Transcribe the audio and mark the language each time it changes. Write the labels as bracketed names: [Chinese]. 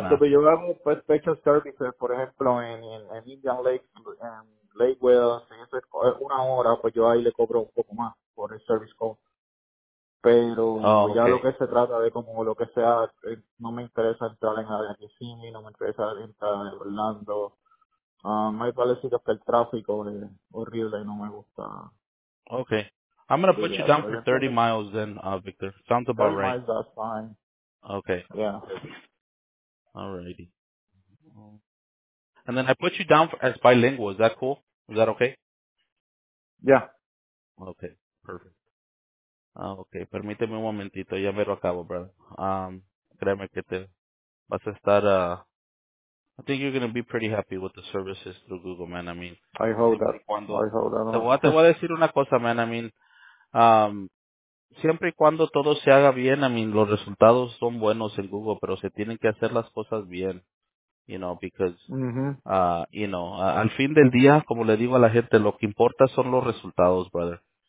[Spanish] Exacto, pero yo hago special services, por ejemplo, en Indian Lake, en Lake Wells, en eso es una hora, pues yo ahí le cobro un poco más por el service call. Pero lo que se trata de como lo que sea, no me interesa entrar en la de Kissimmee, no me interesa entrar en Orlando. Más parece que el tráfico es horrible y no me gusta. [English] Okay. I'm going to put you down for 30 miles then, Victor. Sounds about right. 30 miles, that's fine. Okay. Yeah. Alrighty. And then I put you down as bilingual. Is that cool? Is that okay? Yeah. Okay, perfect. Ah, okay. [Spanish] Permíteme un momentito. Ya me lo acabo, brother. Créeme que te vas a estar [English] I think you're going to be pretty happy with the services through Google, man. I mean, I hope that. Cuando, I hope that. [Spanish] Te voy a decir una cosa, man. [English] I mean, [Spanish] siempre y cuando todo se haga bien, I mean, los resultados son buenos en Google, pero se tienen que hacer las cosas bien. [English] You know, because, you know, [Spanish] al fin del día, como le digo a la gente, lo que importa son los resultados, brother.